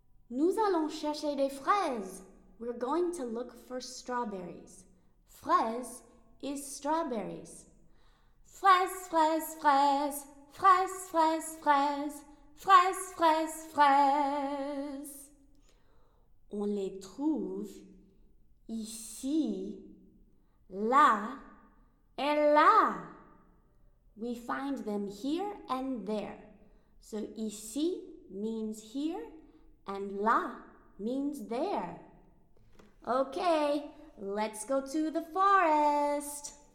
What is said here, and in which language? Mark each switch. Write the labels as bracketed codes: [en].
[fr] Nous allons chercher des fraises. [en] We're going to look for strawberries. Fraises is strawberries. [fr] Fraises, fraises, fraises. Fraises, fraises, fraises. Fraises, fraises, fraises. On les trouve ici, là, et là. [en] We find them here and there. So ici means here and là means there. Okay, let's go to the forest.